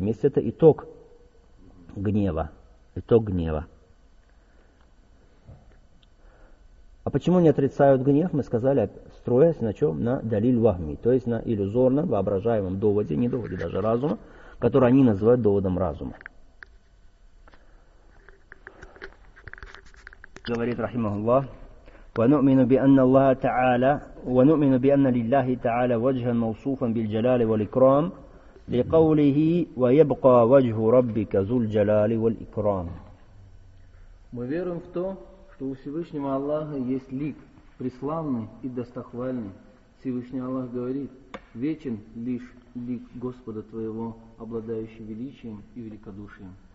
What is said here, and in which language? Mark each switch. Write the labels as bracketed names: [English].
[Russian] Месть — это итог гнева. Итог гнева. А почему не отрицают гнев? Мы сказали, строясь на чем? На далиль вахми. То есть, на иллюзорном, воображаемом доводе, не доводе даже разума, который они называют доводом разума. Говорит рахимах Аллах: [Arabic] ونؤمن بأن الله تعالى ونؤمن بأن لله تعالى وجها موصوفا بالجلال والإكرام لقوله ويبقى وجه ربك ذو الجلال والإكرام. [Russian] Мы верим в то, что у Всевышнего Аллаха есть лик преславный и достохвальный. Всевышний Аллах говорит: вечен лишь лик Господа твоего, обладающий величием и великодушием.